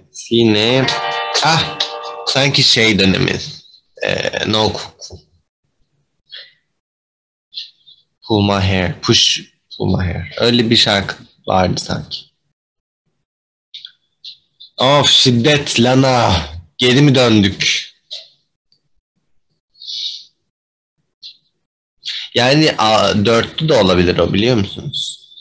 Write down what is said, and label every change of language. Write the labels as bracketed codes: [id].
[tr] yine sanki şey dönemi [en] no cuckoo. Pull my hair, push pull my hair. [tr] Öyle bir şarkı vardı sanki. Of şiddet Lana. Geri mi döndük? Yani dörtlü de olabilir o, biliyor musunuz?